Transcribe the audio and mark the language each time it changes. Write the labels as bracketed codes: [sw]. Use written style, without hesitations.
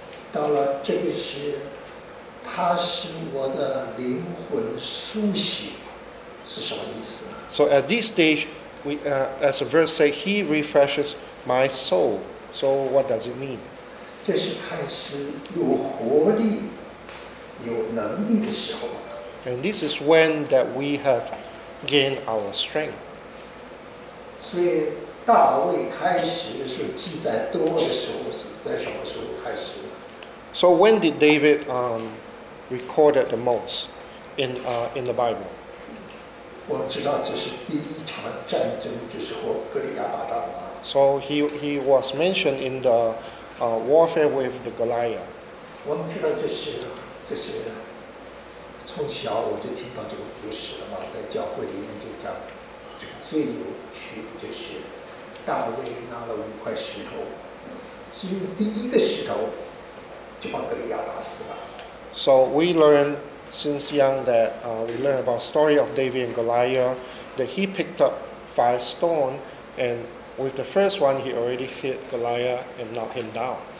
[zh] 到了这个时，他使我的灵魂苏醒，是什么意思呢？ [en] So at this stage, as the verse says, he refreshes my soul. So what does it mean? [zh] 这是开始有活力、有能力的时候。 [en] And this is when that we have gained our strength. [zh] 所以。大卫开始是记载多的时候，在什么时候开始的？ [en] So when did David record the most in the Bible? [zh] 我知道这是第一场战争，就是和哥利亚打仗嘛。 [en] So he was mentioned in the warfare with the Goliath. [zh] 我们知道这是从小我就听到这个故事了嘛，在教会里面就讲，这个最有趣的就是大卫拿了五块石头，只用第一个石头就把哥利亚打死了。 [en] So we learn since young that we learn about the story of David and Goliath, that he picked up 5 stones, and with the first one, he already hit Goliath and knocked him down.